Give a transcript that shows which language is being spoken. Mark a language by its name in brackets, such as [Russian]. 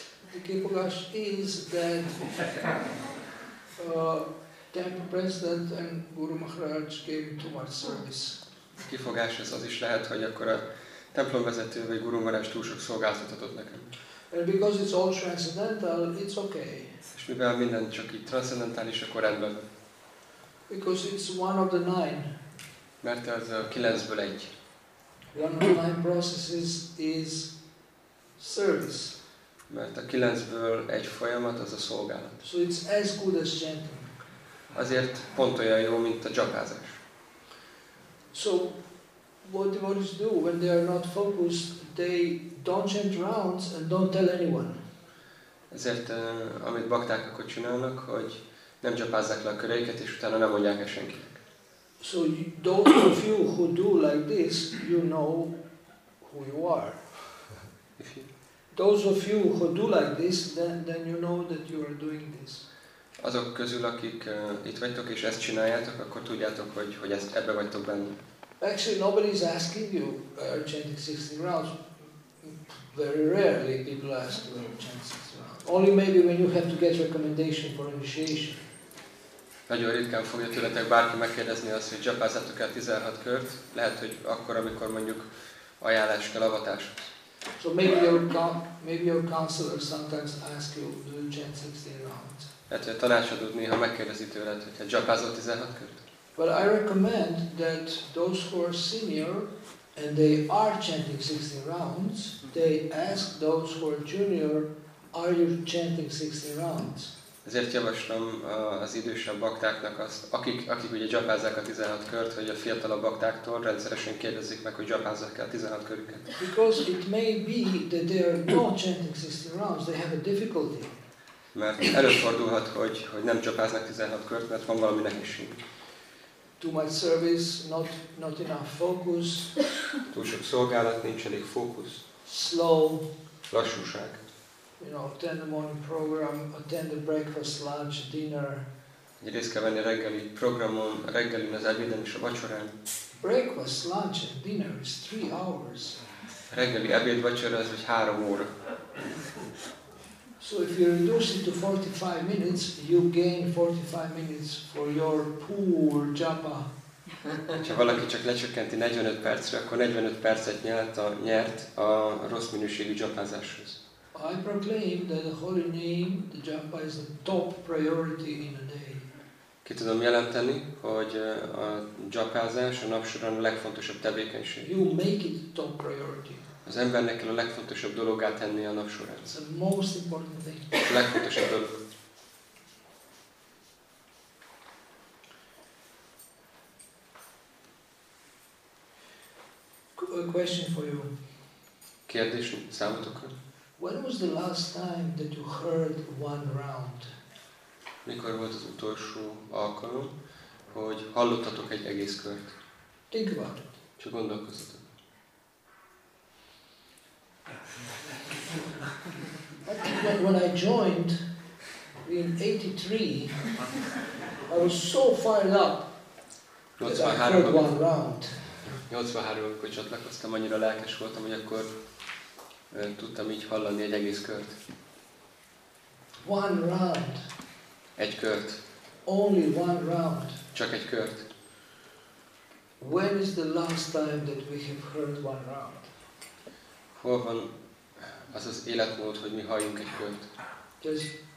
[English] The [Hungarian] kifogás [English] is that temple president and Guru Maharaj gave too much service. [Hungarian] Kifogás az is lehet, hogy akkor a templomvezető vagy Guru Maharaj túl sok szolgáltat adott nekem. [English] And because it's all transcendental, it's okay. [Hungarian] És mivel minden csak így transzendentális, akkor rendben. [English] Because it's one of the nine. [Hungarian] Mert az a kilencből egy. [English] One of the nine processes is service. [Hungarian] Mert a kilencből egy folyamat az a szolgálat. [English] So it's as good as chanting. [Hungarian] Azért pont olyan jó, mint a japázás. [English] So what devotees do when they are not focused, they don't chant rounds and don't tell anyone. [Hungarian] Ezért amit bakták akkor csinálnak, hogy nem japázzák le a köreiket, és utána nem mondják el senkinek. [English] So those of you who do like this, you know who you are. Those of you who do like this, then you know that you are doing this. [Hungarian] Azok közül, akik itt vagytok és ezt csináljátok, akkor tudjátok, hogy ezt ebbe vagytok benne. [English] Actually, nobody is asking you chanting 16 rounds. Very rarely people ask you chanting 16 rounds. Only maybe when you have to get recommendation for initiation. [Hungarian] Nagyon ritkán fogja tőletek bárki megkérdezni azt, hogy japázzátok el 16 kört. Lehet, hogy akkor, amikor mondjuk ajánlás kell avatáshoz. [English] So maybe your counselor sometimes ask you, do you chant 16 rounds? [Hungarian] Lehet, hogy a tanácsadód néha megkérdezi tőled, hogyha japázol 16 kört. [English] But I recommend that those who are senior and they are chanting 16 rounds, they ask those who are junior, are you chanting 16 rounds? [Hungarian] Ezért javaslom az idősebb baktáknak azt, akik ugye japázzák a 16 kört, hogy a fiatalabb baktáktól rendszeresen kérdezzék meg, hogy japázzák el 16 körüket. [English] Because it may be that they are not chanting 16 rounds, they have a difficulty. [Hungarian] Mert előfordulhat, hogy nem japáznak 16 kört, mert van valami nehézség. [English] Too much service, not enough focus. [Hungarian] Túl sok szolgálat, nincs elég fókusz. [English] Slow. [Hungarian] Lassúság. [English] You know, attend the morning program, attend the breakfast, lunch, dinner. [Hungarian] Egy részt kell venni a reggeli programon, a reggelin, az ebéden és a vacsorán. [English] Breakfast, lunch and dinner is 3 hours. [Hungarian] A reggeli ebéd vacsora az egy 3 óra. [English] So if you reduce it to 45 minutes, you gain 45 minutes for your poor japa. [Hungarian] Ha valaki csak lecsökkenti 45 percre, akkor 45 percet nyert a rossz minőségű japázáshoz. [English] I proclaim that the holy name, the japa, is the top priority in a day. [Hungarian] Ki tudom jelenteni, hogy a japázás a nap során a legfontosabb tevékenység. [English] You make it the top priority. [Hungarian] Az embernek kell a legfontosabb dologát tenni a nap során. [English] It's the most important thing. [Hungarian] A legfontosabb dolog. [English] A question for you. [Hungarian] Kérdés számotokra. [English] When was the last time that you heard one round? [Hungarian] Mikor volt az utolsó alkalom, hogy hallottatok egy egész kört? [English] Think about it. [Hungarian] Csak gondolkozzatok. [English] When I joined in 83, I was so fired up that I heard one round. [Hungarian] 83-ban, amikor csatlakoztam, annyira lelkes voltam, hogy akkor tudtam így hallani egy egész kört. [English] One round. [Hungarian] Egy kört. [English] Only one round. [Hungarian] Csak egy kört. [English] When is the last time that we have heard one round? [Hungarian] Hol van az az életmód, hogy mi halljunk egy költ?